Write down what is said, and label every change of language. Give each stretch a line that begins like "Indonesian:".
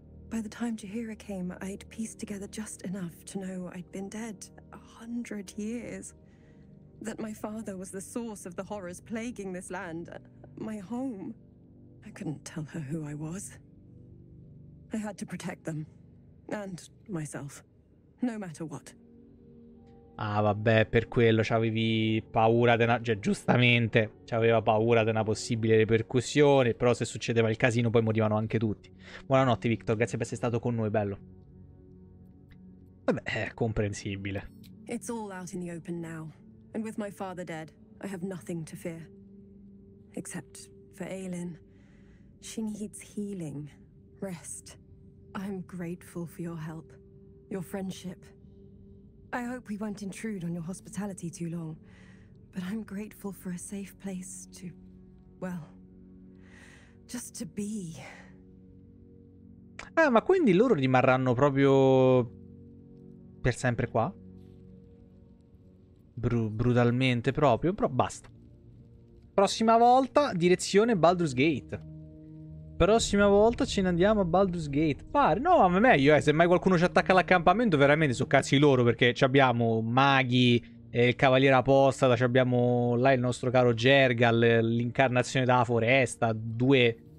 English: By the time Jahira came, I'd pieced together just enough to know I'd been dead 100 years. That my father was the source of the horrors plaguing this land, my home. I couldn't tell her who I was. I had to protect them, and myself, no matter what.
Italian: Ah, vabbè, per quello c'avevi paura di una... Cioè, giustamente, c'aveva paura di una possibile ripercussione, però se succedeva il casino poi morivano anche tutti. Buonanotte, Victor, grazie per essere stato con noi, bello. Vabbè, è comprensibile.
English: It's all out in the open now. And with my father dead, I have nothing to fear. Except for Aelin. She needs healing, rest. I'm grateful for your help, your friendship. I hope we won't intrude on your hospitality too long, but I'm grateful for a safe place to, well, just to be.
Italian: Ah, ma quindi loro rimarranno proprio per sempre qua? Brutalmente proprio, però basta. Prossima volta direzione Baldur's Gate. Prossima volta ce ne andiamo a Baldur's Gate. Pare, no, ma meglio, se mai qualcuno ci attacca all'accampamento, veramente sono cazzi loro, perché ci abbiamo maghi e il cavaliere apostata, ci abbiamo là il nostro caro Jergal, l'incarnazione della foresta, due